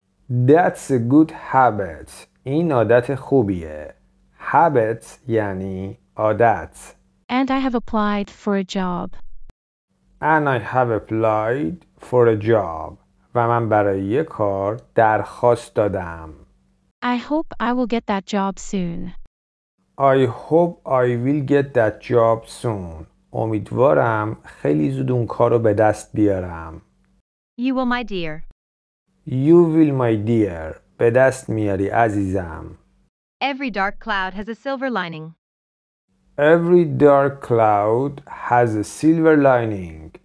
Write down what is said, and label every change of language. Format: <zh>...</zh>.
<en>That's a good habit.</en> <fa>این عادت خوبیه. Habit یعنی عادت.</fa> <en>And I have applied for a job. And I have applied for a job.</en> <fa>و من برای یک کار درخواست دادم.</fa> <en>I hope I will get that job soon. I hope I will get that job soon.</en> <fa>امیدوارم خیلی زود اون کارو به دست بیارم.</fa> <en>You will, my dear. You will, my dear.</en> <fa>به دست میاری عزیزم.</fa> <en>Every dark cloud has a silver lining. Every dark cloud has a silver lining.</en>